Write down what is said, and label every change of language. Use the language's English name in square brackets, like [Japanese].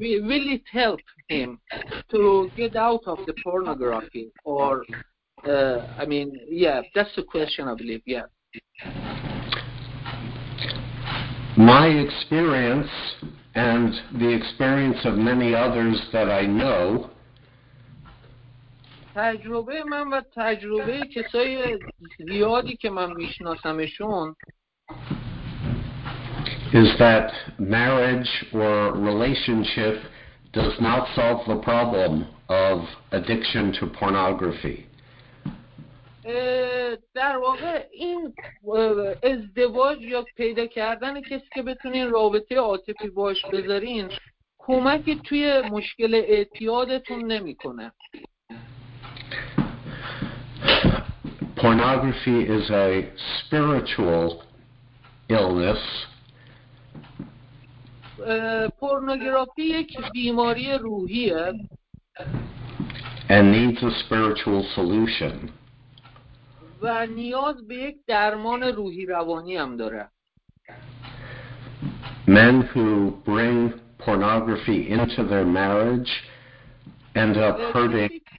[English] Will it help him to get out of the pornography? Or, that's the question, I believe, yeah. My experience, and the experience of many others that I know, [Persian] تجربه من و تجربه کسای زیادی که من میشناسمشون [English] is that marriage or relationship does not solve the problem of addiction to pornography. [Persian] در واقع این ازدواج یا پیدا کردن کسی که بتونین رابطه عاطفی باش بذارین کمک توی مشکل اعتیادتون نمیکنه. [English] Pornography is a spiritual illness. [Persian] Pornography یک بیماری روحیه. [English] And needs a spiritual solution. [Persian] و نیاز به یک درمان روحی روانی هم داره. [English] Men who bring pornography into their marriage end up hurting.